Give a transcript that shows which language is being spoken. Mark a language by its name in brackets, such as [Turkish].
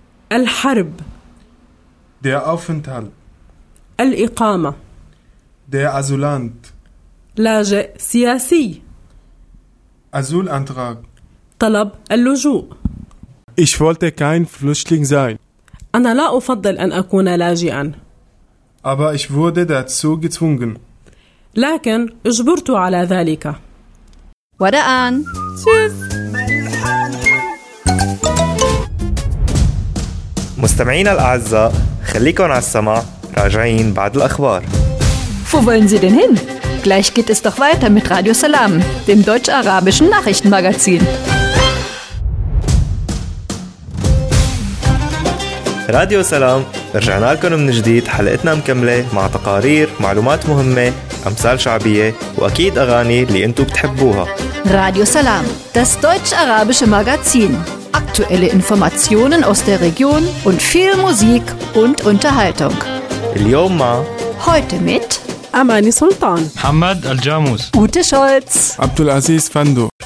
[Arabic] الحرب. [German] Der Aufenthalt. [Arabic] الإقامة. [German] Der Asylant. [Arabic] لاجئ سياسي. [German] Asylantrag. [Arabic] طلب اللجوء. [German] Ich wollte kein Flüchtling sein. [Arabic] أنا لا أفضل أن أكون لاجئا. [German] Aber ich wurde dazu gezwungen. [Arabic] لكن اجبرت على ذلك. ودآن [German] تشوز. [Arabic] مستمعين الأعزاء خليكم على السماع، راجعين بعد الأخبار. [German] Wo wollen Sie denn hin? Gleich geht es doch weiter mit Radio Salam, dem deutsch-arabischen Nachrichtenmagazin. [Arabic] راديو سلام رجعنا لكم من جديد. حلقتنا مكملة مع تقارير، معلومات مهمة، أمثال شعبية وأكيد أغاني اللي أنتوا بتحبوها. [German] راديو سلام Das deutsch-arabische Magazin. Aktuelle Informationen aus der Region und viel Musik und Unterhaltung. [Arabic] اليوم مع [German] Heute mit [Arabic] أماني سلطان محمد الجاموس Ute Scholz عبدالعزيز فندو